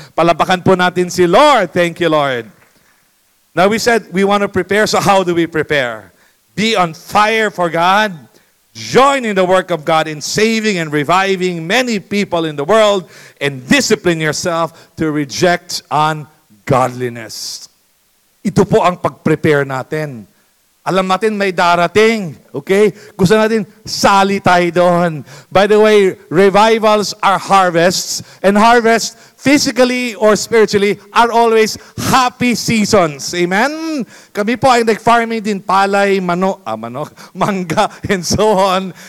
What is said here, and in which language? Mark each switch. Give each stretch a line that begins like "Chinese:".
Filipino: Palapakan po natin si Lord.
English: Thank you, Lord. Now we said we want to prepare, so how do we prepare? Be on fire for God. Join in the work of God in saving and reviving many people in the world. And discipline yourself to reject ungodliness.
Filipino: Ito po ang pag-prepare natin. Alam natin may darating, okay? Gusto natin sali tayo doon.
English: By the way, revivals are harvests. And harvests, physically or spiritually, are always happy seasons.
Filipino: Amen? Kami po ay nag-farming din palay, manga, and so on.